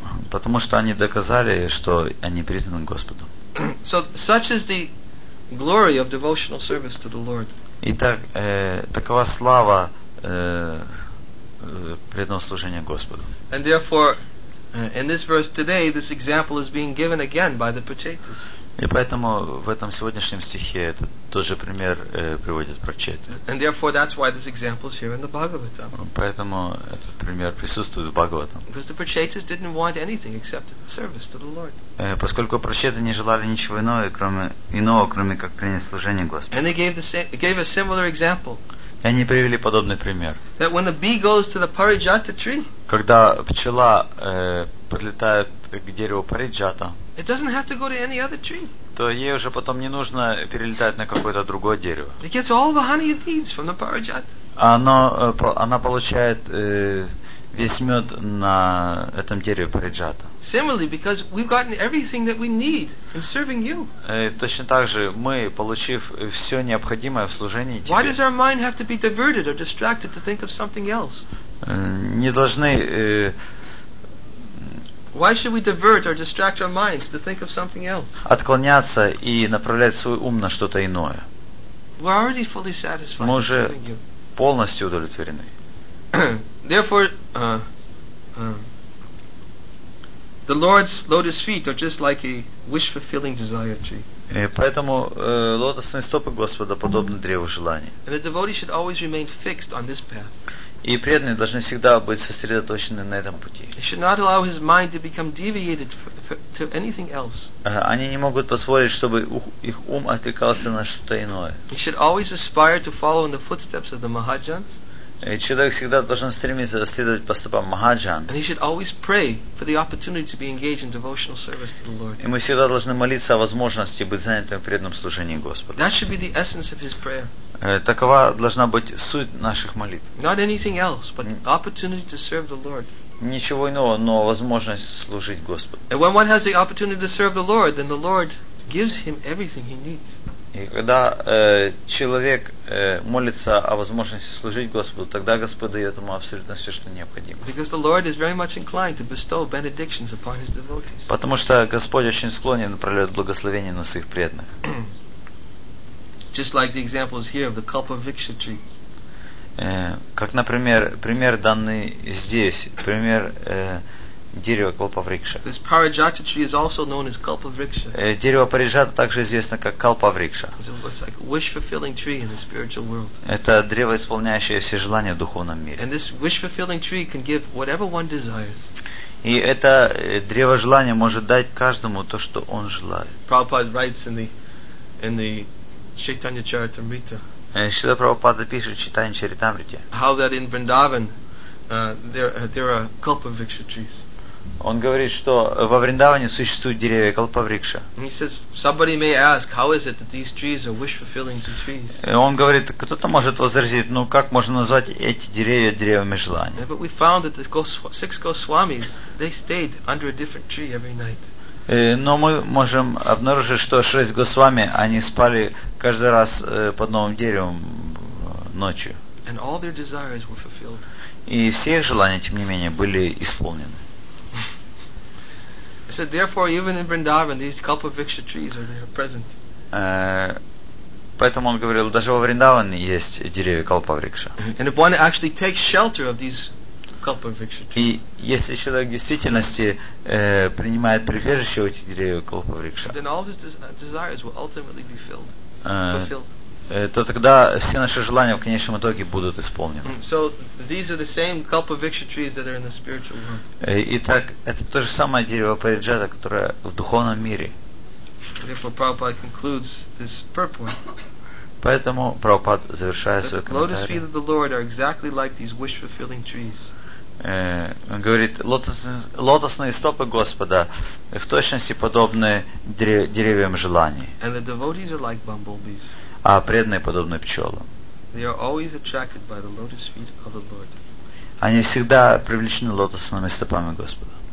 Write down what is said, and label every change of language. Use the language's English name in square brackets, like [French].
[Russian] Потому что они доказали, что они признаны Господом. [English] So such is the glory of devotional service to the Lord. [Russian] Итак, такова слава преданного служения Господу. [English] And therefore in this verse today, this example is being given again by the Prachetas. [Russian] И поэтому в этом сегодняшнем стихе этот тот же пример приводит Прачеты. [English] And therefore, that's why this example is here in the Bhagavatam. [Russian] Поэтому этот пример присутствует в Бхагаватам. [English] Because the Prachetas didn't want anything except service to the Lord. [Russian] Поскольку Прачеты не желали ничего иного, кроме как принять служение Господу. [English] And they gave a similar example. [Russian] И они привели подобный пример. [English] That when the bee goes to the Parijata tree, [Russian] когда пчела подлетает к дереву Париджата, [English] it doesn't have to go to any other tree. [Russian] То ей уже потом не нужно перелетать на какое-то другое дерево. [English] It gets all the honey it needs from the Parijata. [Russian] Она получает весь мед на этом дереве Париджата. [English] Similarly, because we've gotten everything that we need in serving you. [Russian] Точно так же, мы, получив все необходимое в служении тебе. [English] Why does our mind have to be diverted or distracted to think of something else? [Russian] Не должны. [English] Why should we divert or distract our minds to think of something else? [Russian] Отклоняться и направлять свой ум на что-то иное. [English] We're already fully satisfied in serving you. [Russian] полностью удовлетворены. [English] Therefore, the Lord's lotus feet are just like a wish-fulfilling desire tree. [Russian] И поэтому лотосные стопы Господа подобны древу желаний. [English] And the devotee should always remain fixed on this path. [Russian] И преданные должны всегда быть сосредоточены на этом пути. [English] He should not allow his mind to become deviated to anything else. [Russian] Они не могут позволить, чтобы их ум отвлекался на что-то иное. [English] He should always aspire to follow in the footsteps of the Mahajans. [Russian] И человек всегда должен стремиться следовать по стопам Махаджан. [English] And he should always pray for the opportunity to be engaged in devotional service to the Lord. [Russian] И мы всегда должны молиться о возможности быть занятым в преданном служении Господу. [English] That should be the essence of his prayer. [Russian] Такова должна быть суть наших молитв. [English] Not anything else, but opportunity to serve the Lord. [Russian] Ничего иного, но возможность служить Господу. [English] And when one has the opportunity to serve the Lord, then the Lord gives him everything he needs. [Russian] И когда человек молится о возможности служить Господу, тогда Господь дает ему абсолютно все, что необходимо. [English] Because the Lord is very much inclined to bestow benedictions upon his devotees. [Russian] Потому что Господь очень склонен проливать благословения на своих преданных. [English] Just like the examples here of the Kalpa Viksha tree. [Russian] Как, например, пример данный здесь, пример дерево Калпавриксха. [English] This Parijata tree is also known as Kalpavriksha. [Russian] Дерево Парижата также известно как Калпавриксха. [English] It's like a wish-fulfilling tree in the spiritual world. [Russian] Это древо, исполняющее все желания в духовном мире. [English] And this wish-fulfilling tree can give whatever one desires. [Russian] И это древо желания может дать каждому то, что он желает. [English] Prabhupada writes in the Chaitanya Charitamrita. [Russian] Шрила Прабхупада пишет в Чайтанья Чаритамрите. [English] How that in Vrindavan there are Kalpavriksha trees. [Russian] Он говорит, что во Вриндаване существуют деревья Калпавриксха. [English] He says, somebody may ask, how is it that these trees are wish-fulfilling trees? [Russian] Он говорит, кто-то может возразить, ну как можно назвать эти деревья деревьями желания? [English] But we found that the six Госвамис, they stayed under a different tree every night. [Russian] Но мы можем обнаружить, что шесть Госвами, они спали каждый раз под новым деревом ночью. [English] And all their desires were fulfilled. [Russian] И все их желания, тем не менее, были исполнены. [English] I said, therefore, even in Vrindavan, these Kalpavriksha trees are there present. [Russian] Поэтому он говорил, даже во Вриндаване есть деревья Калпавриксха. [English] And if one actually takes shelter of these Kalpavriksha trees. [Russian] И если человек в действительности принимает прибежище у этих деревьев Калпавриксха. [English] Then all his desires will ultimately be filled. [Russian] То тогда все наши желания в конечном итоге будут исполнены. [English] So these are the same Kalpavriksha trees that are in the spiritual world. [Russian] Итак, это то же самое дерево Париджата, которое в духовном мире. [English] Therefore, Prabhupada concludes this purport. [Russian] Поэтому Прабхупад завершает свой комментарий. [English] Lotus feet of the Lord are exactly like these wish-fulfilling trees. [Russian] Он говорит, лотосные стопы Господа в точности подобны деревьям желаний. [English] And the devotees are like bumblebees. [Russian] А преданные подобны пчелам. [English] They are always attracted by the lotus feet of the Lord. [Russian] Они всегда привлечены лотосными стопами Господа.